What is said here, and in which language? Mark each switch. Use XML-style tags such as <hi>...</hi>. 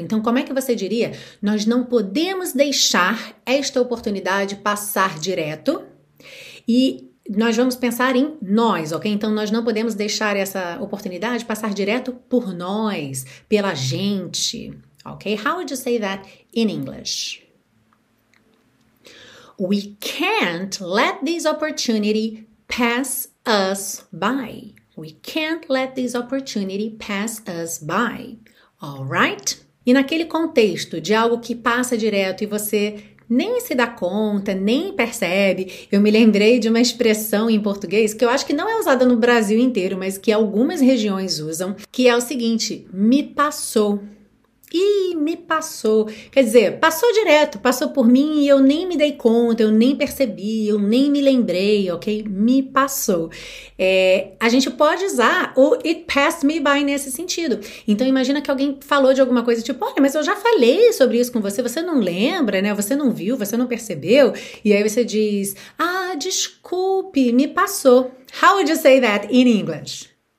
<pt>Então, como é que você diria? Nós não podemos deixar esta oportunidade passar direto e nós vamos pensar em nós, ok? Então, nós não podemos deixar essa oportunidade passar direto por nós, pela gente, ok?</pt> <en>How would you say that in English? We can't let this opportunity pass us by. We can't let this opportunity pass us by. All right?</en> <pt>E naquele contexto de algo que passa direto e você nem se dá conta, nem percebe. Eu me lembrei de uma expressão em português que eu acho que não é usada no Brasil inteiro, mas que algumas regiões usam, que é o seguinte: me passou. Ih, me passou. Quer dizer, passou direto, passou por mim e eu nem me dei conta, eu nem percebi, eu nem me lembrei, ok? Me passou. É, a gente pode usar o</pt> <en>it passed me by</en> <pt>nesse sentido. Então, imagina que alguém falou de alguma coisa, tipo, olha, mas eu já falei sobre isso com você, você não lembra, né? Você não viu, você não percebeu. E aí você diz, ah, desculpe, me passou.</pt> <en>How would you say that in English?</en>